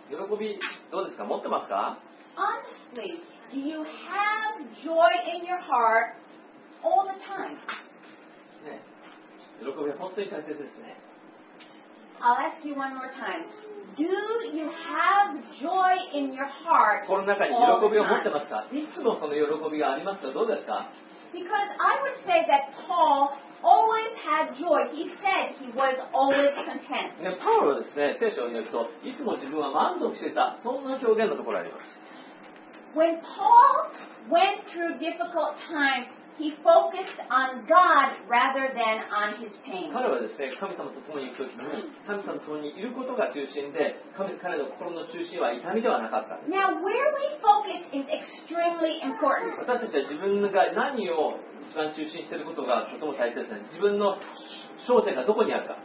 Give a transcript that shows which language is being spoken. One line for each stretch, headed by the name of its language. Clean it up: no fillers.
Japanese: 喜びどうですか？持ってますか？
English: Honestly, do you have joy in your heart all the time?
Japanese: ね、喜びは本当に大切ですね。
English: I'll ask you one more time. Do you have joy in your heart?
Japanese: この中に喜びを持ってますか？いつもその喜びがありますか？どうですか？
English: Because I would say that Paul always had joy. He said he was always content.
Japanese: Paul はですね、聖書によると、いつも自分は満足していた。そんな表現のところがあります。
English: When Paul went through difficult times, he focused on God rather than on his pain.
Japanese: 彼はですね、神様と共に行くときに、神様と共にいることが中心で、彼の心の中心は痛みではなかった。
English: Now, where we focus is extremely important.
Japanese: 私たちは自分が何を一番中心していることがとても大切です。自分の焦点がどこにあるか。